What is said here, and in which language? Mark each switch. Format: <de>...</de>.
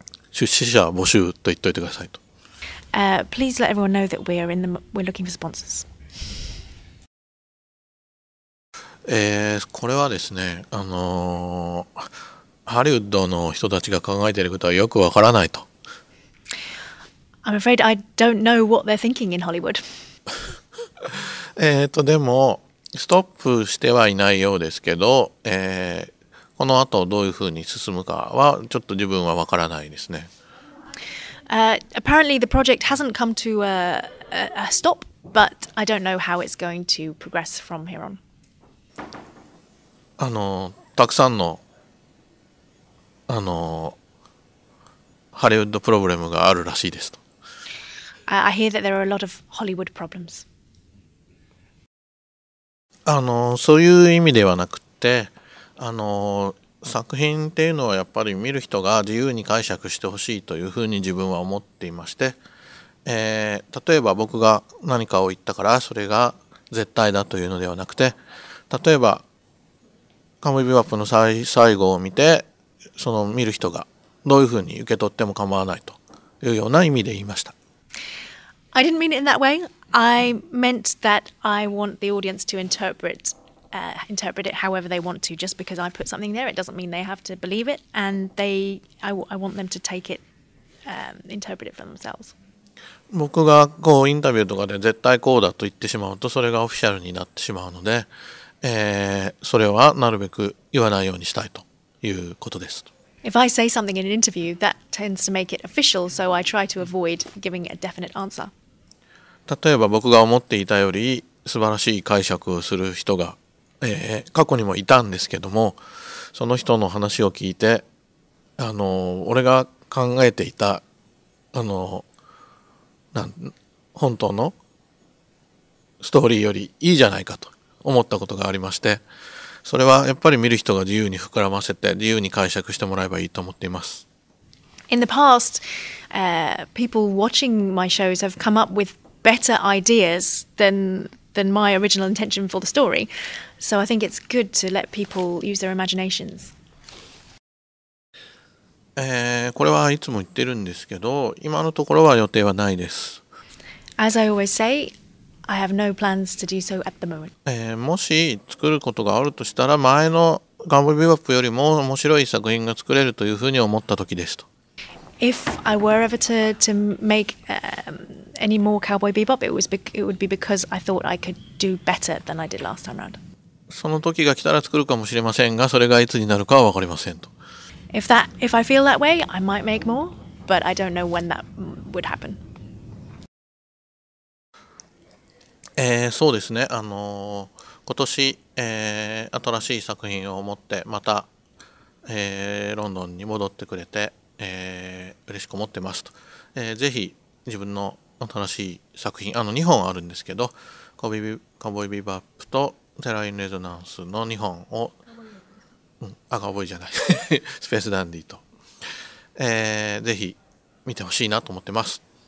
<ja>出資者募集と言っておいてくださいと。</ja> <en>Please let everyone know that we're looking for sponsors.</en> <ja>これはですね、ハリウッドの人たちが考えていることはよくわからないと。</ja> <en>I'm afraid I don't know what they're thinking in Hollywood.</en> <ja>でもストップしてはいないようですけど、この後どういうふうに進むかはちょっと自分はわからないですね。</ja> <en>Apparently the project hasn't come to a stop, but I don't know how it's going to progress from here on.</en> <ja>あのたくさんのあのハリウッドプロブレムがあるらしいですと。</ja> <en>I hear that there are a lot of Hollywood problems.</en> <ja>あのそういう意味ではなくて、あの作品っていうのはやっぱり見る人が自由に解釈してほしいというふうに自分は思っていまして、例えば僕が何かを言ったからそれが絶対だというのではなくて、例えばカムイビバップの最後を見てその見る人がどういうふうに受け取っても構わないというような意味で言いました。</ja> <en>I didn't mean it in that way. I meant that I want the audience to interpret it however they want to. Just because I put something there, it doesn't mean they have to believe it. And I want them to take it, interpret it for themselves.</en> <ja>僕がこうインタビューとかで絶対こうだと言ってしまうと、それがオフィシャルになってしまうので、それはなるべく言わないようにしたいということです。</ja> <en>If I say something in an interview, that tends to make it official, so I try to avoid giving a definite answer.</en> <ja>例えば僕が思っていたより素晴らしい解釈をする人が、過去にもいたんですけども、その人の話を聞いて、あの俺が考えていたあの本当のストーリーよりいいじゃないかと思ったことがありまして、それはやっぱり見る人が自由に膨らませて自由に解釈してもらえばいいと思っています。</ja> <en>In the past, people watching my shows have come up with better ideas than my original intention for the story. So I think it's good to let people use their imaginations.</en> <ja>これはいつも言ってるんですけど、今のところは予定はないです。</ja> <en>As I always say,I have no plans to do so at the moment.</en> <ja>もし作ることがあるとしたら、前のガンボビバップよりも面白い作品が作れるというふうに思った時ですと。</ja> <en>If I were ever to make any more Cowboy Bebop, it would be because I thought I could do better than I did last time round.</en> <ja>その時が来たら作るかもしれませんが、それがいつになるかは分かりませんと。</ja> <en>If I feel that way, I might make more, but I don't know when that would happen.</en> <ja>そうですね、今年、新しい作品を持ってまた、ロンドンに戻ってくれて、嬉しく思ってますと、ぜひ自分の新しい作品、あの2本あるんですけど、カウボーイビバップとテラインレゾナンスの2本を、カウボーイじゃないスペースダンディと、ぜひ見てほしいなと思ってます。</ja>